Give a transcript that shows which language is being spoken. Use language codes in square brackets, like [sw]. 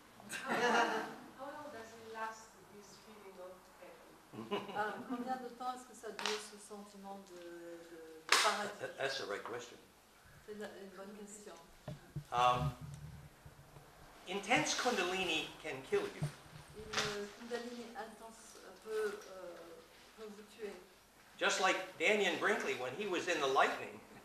[en] How long does it last, this feeling of heaven? [fr] Combien de temps est-ce que ça dure, ce sentiment de paradis? [en] That's the right question. [fr] C'est une bonne question. [en] Intense Kundalini can kill you. [fr] Une Kundalini intense peut vous tuer. [en] Just like Daniel Brinkley when he was in the lightning.